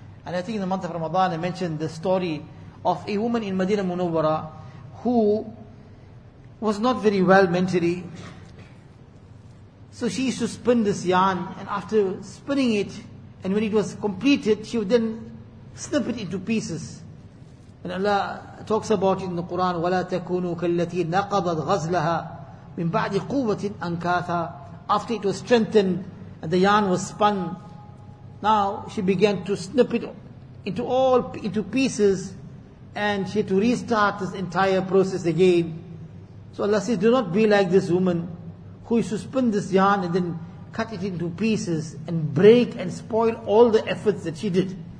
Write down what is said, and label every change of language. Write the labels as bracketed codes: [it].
[en] And I think in the month of Ramadan, I mentioned the story of a woman in Madinah Munawwara who was not very well mentally. So she used to spin this yarn, and after spinning it, and when it was completed, she would then snip it into pieces. And Allah talks about it in the Quran, [ar] وَلَا تَكُونُوا كَالَّتِي نَقَضَتْ غَزْلَهَا مِنْ بَعْدِ قُوَّةٍ أَنْكَاثَا. [en] After it was strengthened and the yarn was spun, now she began to snip it into pieces, and she had to restart this entire process again. So Allah says, do not be like this woman who used to spin this yarn and then cut it into pieces and break and spoil all the efforts that she did.